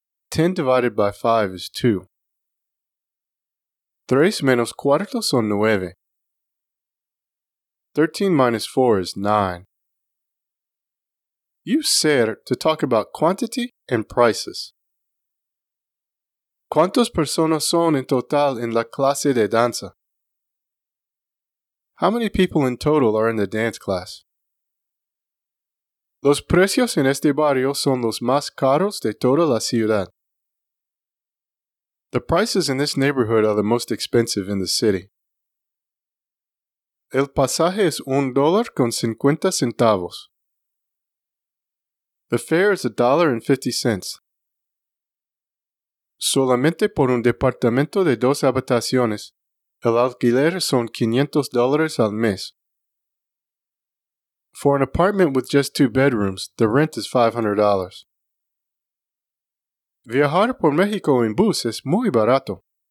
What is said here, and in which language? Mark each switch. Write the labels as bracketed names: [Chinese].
[English] 10 divided by 5 is 2. [Spanish] 3 menos cuarto son 9. [English] 13 minus 4 is 9. Use ser to talk about quantity and prices. [Spanish] ¿Cuántas personas son en total en la clase de danza? [English] How many people in total are in the dance class? [Spanish] Los precios en este barrio son los más caros de toda la ciudad. [English] The prices in this neighborhood are the most expensive in the city. [Spanish] El pasaje es $1.50. [English] The fare is $1.50. [Spanish] Solamente por un departamento de dos habitaciones, el alquiler son $500 al mes. [English] For an apartment with just 2 bedrooms, the rent is $500. [Spanish] Viajar por México en bus es muy barato.